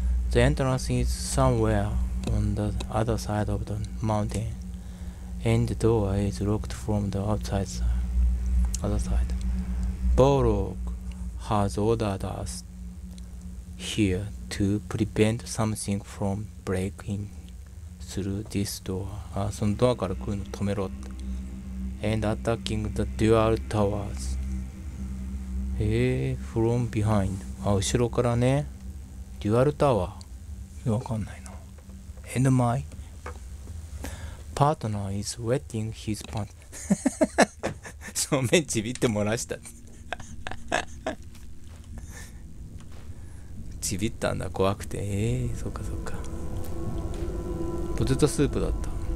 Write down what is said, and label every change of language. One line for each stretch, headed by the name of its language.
English: The entrance is somewhere on the other side of the mountain, and the door is locked from the outside side. Other side. Borok has ordered us here to prevent something from breaking through this door.
Japanese: そのドアから来るの止めろって。
English: And attacking the dual towers. From behind.
Japanese: あ、後ろからね。
English: Dual tower?
Japanese: わかんないな。
English: And my partner is wetting his pants.
Japanese: 正面ちびって漏らした。ちびったんだ、怖くて。そうかそうか。ポテトスープだった。